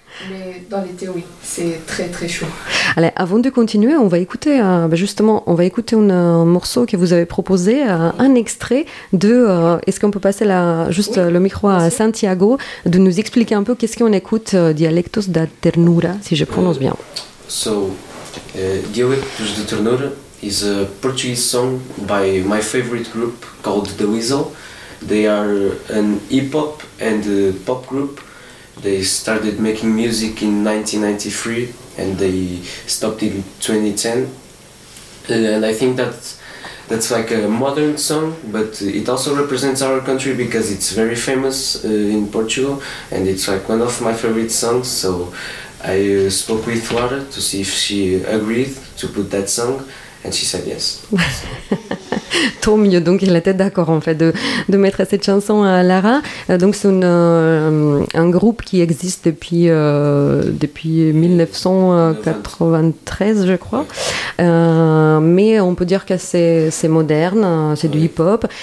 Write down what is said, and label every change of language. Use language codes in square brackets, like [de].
[fr] Mais dans l'été, oui. C'est très, très chaud. Allez, avant de continuer, on va écouter... justement, on va écouter un morceau que vous avez proposé, un extrait de... est-ce qu'on peut passer le micro à Santiago, de nous expliquer un peu qu'est-ce qu'on écoute, Dialectos da Ternura, si je prononce bien. [en] So, Dialectos da Ternura is a Portuguese song by my favorite group called The Weasel. They are an hip-hop and pop group They started making music in 1993 and they stopped in 2010. And I think that's like a modern song, but it also represents our country because it's very famous in Portugal, and it's like one of my favorite songs. So I spoke with Lara to see if she agreed to put that song, and she said yes. [fr] Tant mieux, donc il était d'accord en fait de mettre cette chanson à Lara. Donc c'est un groupe qui existe depuis 1993 je crois, mais on peut dire que c'est moderne, c'est du hip-hop.